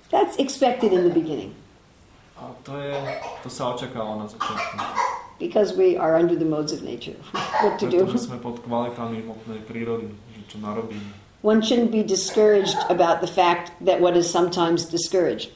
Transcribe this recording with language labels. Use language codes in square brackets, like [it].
[en] That's expected in the beginning. [sk] A to sa očakávalo na začiatku. [en] Because we are under the modes of nature. What to do? [sk] Pretože sme pod kvalitami hmotnej prírody, čo narobíme. [en] One shouldn't be discouraged about the fact that what is sometimes discouraged.